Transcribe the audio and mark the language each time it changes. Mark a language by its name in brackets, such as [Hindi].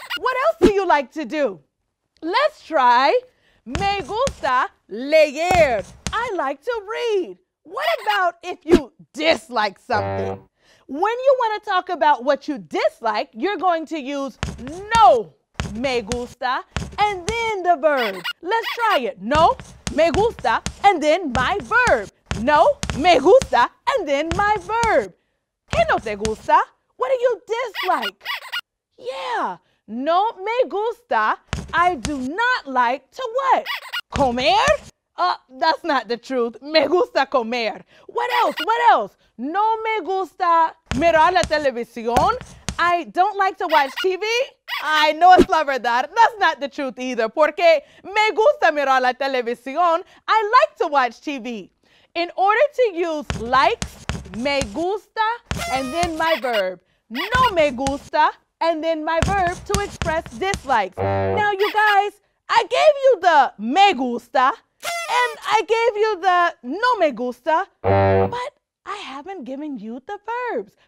[English] What else do you like to do? Let's try, [Spanish] me gusta leer, [English] I like to read. What about if you dislike something? When you want to talk about what you dislike, you're going to use no me gusta and then the verb. Let's try it. No me gusta and then my verb. No me gusta and then my verb. [Spanish] ¿Qué no te gusta? [English] What do you dislike? Yeah. [Spanish] No me gusta. [English] I do not like to what? Comer? That's not the truth. [Spanish] Me gusta comer. [English] What else? What else? [Spanish] No me gusta mirar la televisión. [English] I don't like to watch TV. I know it's [Spanish] la verdad. [English] That's not the truth either. [Spanish] Porque me gusta mirar la televisión. [English] I like to watch TV. In order to use likes, me gusta, and then my verb. No me gusta, and then my verb to express dislikes. Now, you guys, I gave you the me gusta, and I gave you the no me gusta, but I haven't given you the verbs.